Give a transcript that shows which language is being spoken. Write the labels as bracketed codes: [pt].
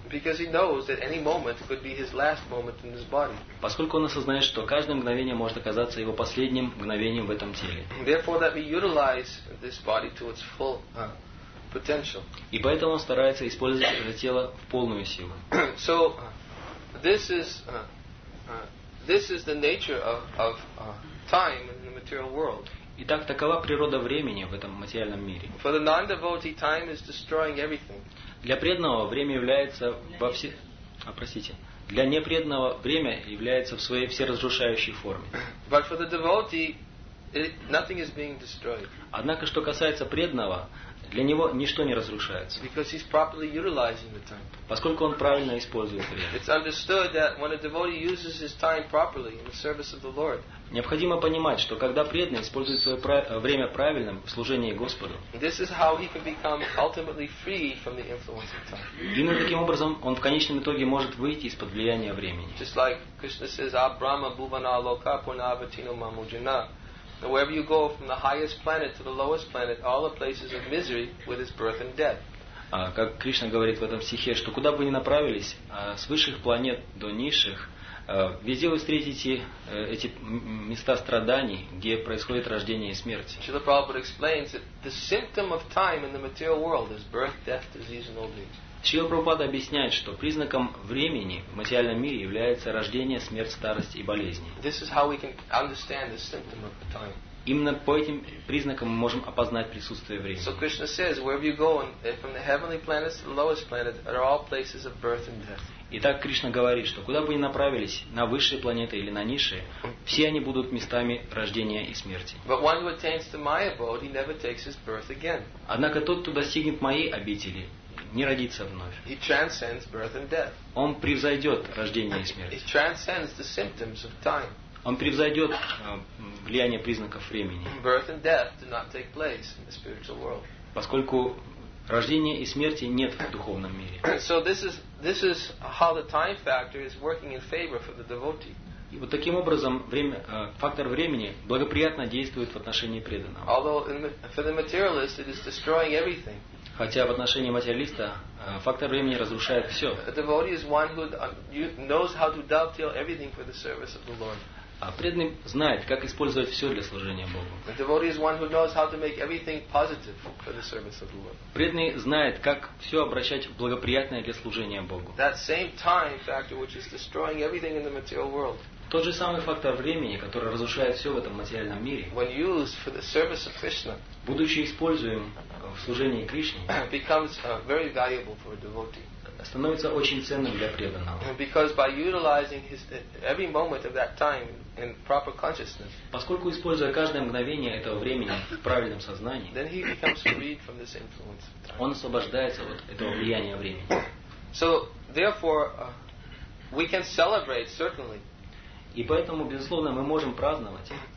[en] Because he knows that any moment could be his last moment in this body. [ru] Поскольку он осознает, что каждое мгновение может оказаться его последним мгновением в этом теле. [en] Therefore, that we utilize this body to its full potential. [ru] И поэтому он старается использовать это тело в полную силу. [en] So this is the nature of time in the material world. [ru] Итак, такова природа времени в этом материальном мире. [en] For the non-devotee, time is destroying everything. [ru] Для преданного время является во всех... Простите. Для непреданного время является в своей всеразрушающей форме. [en] But for the devotee, nothing is being destroyed. [ru] Однако, что касается преданного, для него ничто не разрушается. [en] Because he's properly utilizing the time. [ru] Поскольку он правильно использует время. [en] It's understood that when a devotee uses his time properly in the service of the Lord. [ru] Необходимо понимать, что когда преданный использует свое время правильным в служении Господу. [en] This is how he can become ultimately free from the influence of time. [ru] Именно таким образом он в конечном итоге может выйти из-под влияния времени. [en] Just like Krishna says, [sa] "Ah, Brahma, Bhuvana, Loka, Purnavatino, Mamujana." [en] Wherever you go, from the highest planet to the lowest planet, all the places of misery with its birth and death. [ru] Как Кришна говорит в этом стихе, что куда бы ни направились, с высших планет до низших, везде вы встретите эти места страданий, где происходит рождение и смерть. [en] Srila Prabhupada explains that the symptom of time in the material world is birth, death, disease, and old age. [ru] Шрила Прабхупада объясняет, что признаком времени в материальном мире является рождение, смерть, старость и болезни. [en] This is how we can understand the symptom of time. [ru] Именно по этим признакам мы можем опознать присутствие времени. [en] So Krishna says, wherever you go, from the heavenly planets to the lowest planet, are all places of birth and death. [ru] Итак, Кришна говорит, что куда бы ни направились, на высшие планеты или на низшие, все они будут местами рождения и смерти. [en] But one who attains to my abode, he never takes his birth again. [ru] Однако тот, кто достигнет моей обители, не родится вновь. [en] He transcends birth and death. [ru] Он превзойдет рождение и смерть. [en] He transcends the symptoms of time. [ru] Он превзойдет влияние признаков времени. [en] Birth and death do not take place in the spiritual world. [ru] Поскольку рождения и смерти нет в духовном мире. [en] So this is how the time factor is working in favor for the devotee. [ru] И вот таким образом фактор времени благоприятно действует в отношении преданного. [en] Although for the materialist it is destroying everything. [ru] Хотя в отношении материалиста фактор времени разрушает все. [en] A devotee is one who knows how to dovetail everything for the service of the Lord. [ru] А преданный знает, как использовать все для служения Богу. [en] The devotee is one who knows how to make everything positive for the service of the Lord. [ru] Преданный знает, как все обращать в благоприятное для служения Богу. [en] That same time factor which is destroying everything in the material world. [ru] Тот же самый фактор времени, который разрушает все в этом материальном мире. [en] When used for the service of Krishna. [ru] Будучи используем в служении Кришне. [en] Becomes very valuable for a devotee. [ru] Становится очень ценным для преданного. [en] Because by utilizing every moment of that time in proper consciousness. [ru] Поскольку используя каждое мгновение этого времени в правильном сознании. [en] Then he becomes freed from this influence. [ru] Он освобождается от этого влияния времени. [en] So therefore we can celebrate certainly. [ru] И поэтому безусловно мы можем праздновать.